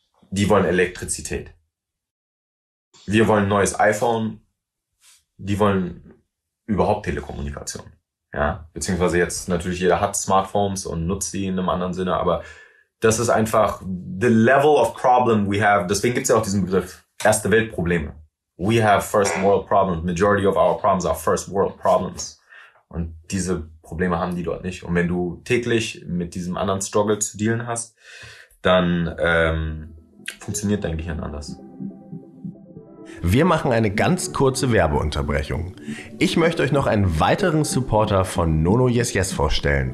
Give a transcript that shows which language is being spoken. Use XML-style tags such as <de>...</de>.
<de>Die wollen Elektrizität. Wir wollen ein neues iPhone. Die wollen überhaupt Telekommunikation. Ja, beziehungsweise jetzt natürlich jeder hat Smartphones und nutzt die in einem anderen Sinne, aber das ist einfach</de> <en>the level of problem we have.</en> <de>Deswegen gibt es ja auch diesen Begriff erste Weltprobleme.</de> <en>We have first world problems. Majority of our problems are first world problems.</en> <de>Und diese Probleme haben die dort nicht. Und wenn du täglich mit diesem anderen Struggle zu dealen hast, dann funktioniert dein Gehirn anders. Wir machen eine ganz kurze Werbeunterbrechung. Ich möchte euch noch einen weiteren Supporter von Nono Yes Yes vorstellen.</de>